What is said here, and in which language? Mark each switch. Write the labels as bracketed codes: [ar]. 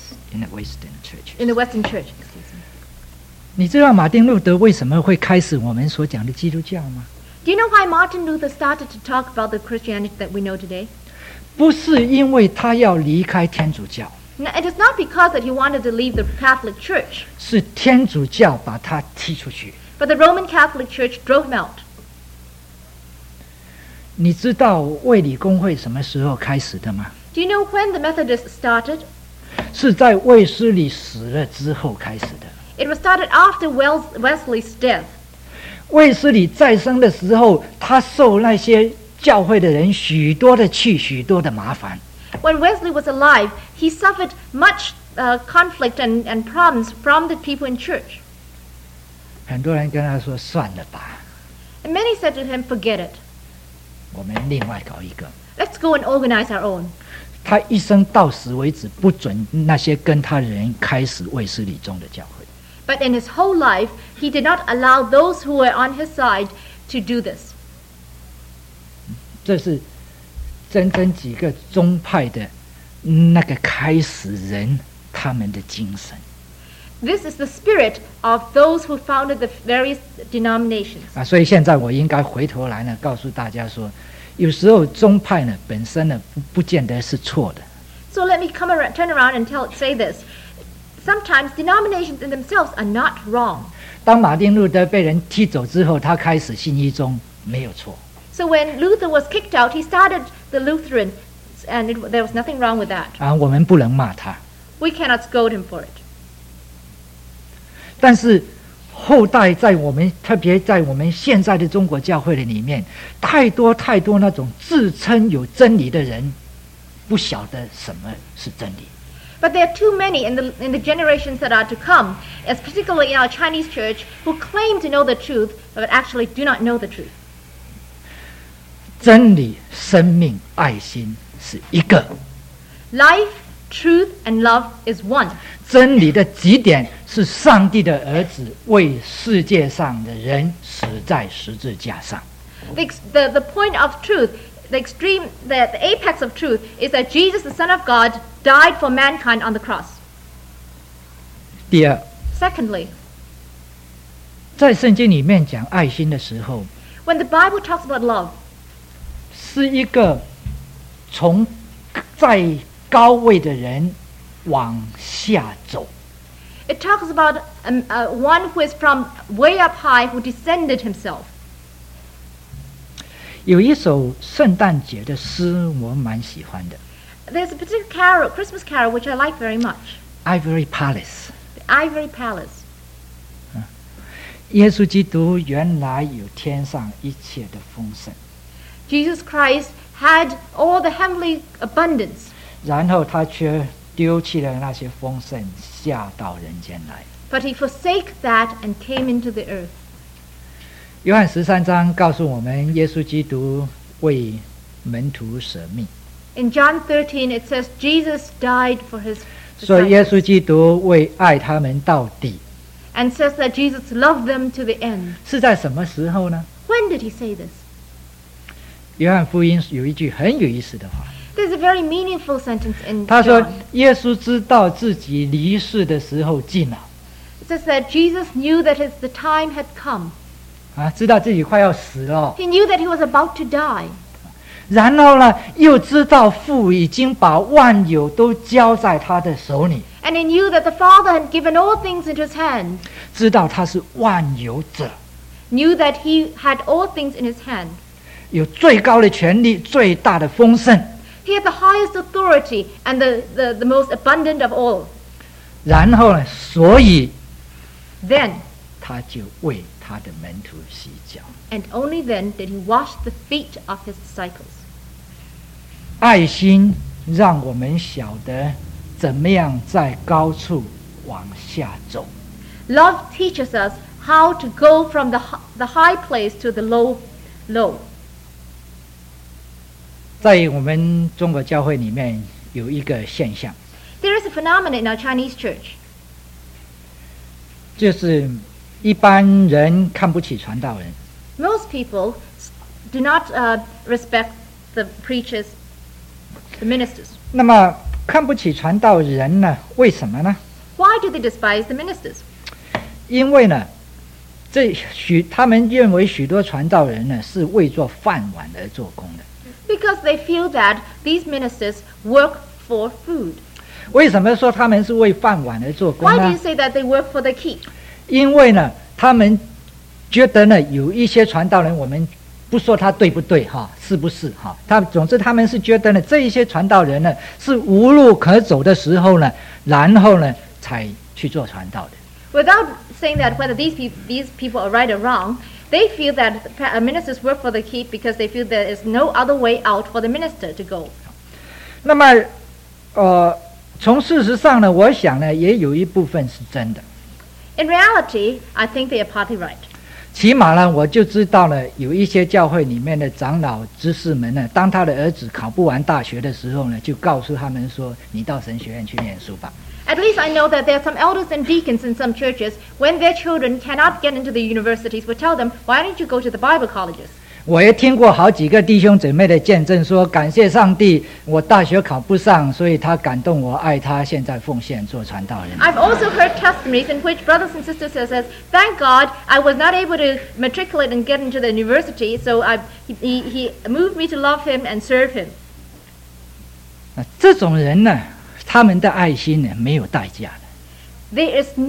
[en] In the Western church. In the Western church. [zh] 你知道马丁路德为什么会开始我们所讲的基督教吗？ [en] Do you know why Martin Luther started to talk about the Christianity that we know today? [zh] 不是因为他要离开天主教。 [en] No, it is not because that he wanted to leave the Catholic Church. [zh] 是天主教把他踢出去。 [en] But the Roman Catholic Church drove him out. [zh] 你知道卫理公会什么时候开始的吗？ [en] Do you know when the Methodists started? [zh] 是在卫斯理死了之后开始的。 [en] It was started after Wesley's death. [zh] 卫斯理再生的时候，他受那些教会的人许多的气，许多的麻烦。 [en] When Wesley was alive, he suffered much conflict and problems from the people in church. [zh] 很多人跟他说，算了吧。 [en] And many said to him, forget it. [zh] 我们另外搞一个。 [en] Let's go and organize our own. [zh] 他一生到死为止，不准那些跟他人开始卫斯理宗的教会。 [en] But in his whole life, he did not allow those who were on his side to do this. [zh] 这是真正几个宗派的那个开始人他们的精神。 [en] This is the spirit of those who founded the various denominations. [zh] 啊，所以现在我应该回头来呢，告诉大家说，有时候宗派呢本身呢不见得是错的。 [en] So let me come around, turn around and say this. Sometimes denominations in themselves are not wrong. [zh] 当马丁路德被人踢走之后，他开始信一宗，没有错。 [en] So when Luther was kicked out, he started the Lutheran, and there was nothing wrong with that. [zh] 啊，我们不能骂他。 [en] We cannot scold him for it. [zh] 但是后代在我们，特别在我们现在的中国教会的里面，太多太多那种自称有真理的人，不晓得什么是真理。 [en] But there are too many in the generations that are to come, as particularly in our Chinese church, who claim to know the truth, but actually do not know the truth. [zh] 真理、生命、爱心是一个。 [en] Life, truth, and love is one. [zh] 真理的极点是上帝的儿子为世界上的人死在十字架上。 [en] The point of truth, the apex of truth, is that Jesus, the Son of God,died for mankind on the cross. [zh] 第二 [en] Secondly, [zh] 在圣经里面讲爱心的时候 [en] when the Bible talks about love, [zh] 是一个从在高位的人往下走。 [en] It talks about one who is from way up high who descended himself. [zh] 有一首圣诞节的诗我蛮喜欢的。 [en] There's a particular carol, Christmas carol, which I like very much. Ivory Palace. The Ivory Palace. [zh] 耶稣基督原来有天上一切的丰盛。 [en] Jesus Christ had all the heavenly abundance. [zh] 然后他却丢弃了那些丰盛，下到人间来。 [en] But he forsake that and came into the earth. [zh] 约翰十三章告诉我们，耶稣基督为门徒舍命。 [en] In John 13, it says Jesus died for his disciples. [zh] 所以耶稣基督为爱他们到底。 [en] And says that Jesus loved them to the end. [zh] 是在什么时候呢？ [en] When did he say this? [zh] 约翰福音有一句很有意思的话。 [en] There's a very meaningful sentence in John. [zh] 他说耶稣知道自己离世的时候近了。 [en] It says that Jesus knew that the time had come. [zh] 知道自己快要死了。 [en] He knew that he was about to die. [zh] 然后呢，又知道父已经把万有都交在他的手里。 [en] And he knew that the Father had given all things into his hand. [zh] 知道他是万有者。 [en] Knew that he had all things in his hand. [zh] 有最高的权力，最大的丰盛。 [en] He had the highest authority and the most abundant of all. [zh] 然后呢，所以。 [en] Then. [zh] 他就为他的门徒洗脚。 [en] And only then did he wash the feet of his disciples. [zh] 爱心让我们晓得怎么样在高处往下走。 [en] Love teaches us how to go from the high place to the low. [zh] 在我们中国教会里面有一个现象。 [en] There is a phenomenon in our Chinese church. [zh] 就是一般人看不起传道人。 [en] Most people do not respect the preachers, the ministers. [zh] 那么看不起传道人呢？为什么呢 [en] ？Why do they despise the ministers？ [zh] 因为呢，这许他们认为许多传道人呢是为做饭碗而做工的。 [en] Because they feel that these ministers work for food。 [zh] 为什么说他们是为饭碗而做工呢 [en] ？Why do you say that they work for the keep？ [zh] 因为呢，他们觉得呢，有一些传道人，我们不说他对不对哈，是不是哈？他总之他们是觉得呢，这一些传道人呢是无路可走的时候呢，然后呢才去做传道的。 [en] Without saying that whether these people are right or wrong, they feel that ministers work for the keep because they feel there is no other way out for the minister to go. [zh] 那么，从事实上呢，我想呢也有一部分是真的。 [en] In reality, I think they are partly right. [zh] 起码呢，我就知道了有一些教会里面的长老执事们呢，当他的儿子考不完大学的时候呢，就告诉他们说：“你到神学院去念书吧。” [en] At least I know that there are some elders and deacons in some churches when their children cannot get into the universities, will tell them, "Why don't you go to the Bible colleges?" [zh] 我也听过好几个弟兄姊妹的见证说，感谢上帝，我大学考不上，所以他感动我爱他，现在奉献做传道人。 [en] I've also heard testimonies in which brothers and sisters says, "Thank God, I was not able to matriculate and get into the university, so he moved me to love him and serve him." [zh] 这种人呢，他们的爱心呢，没有代价的。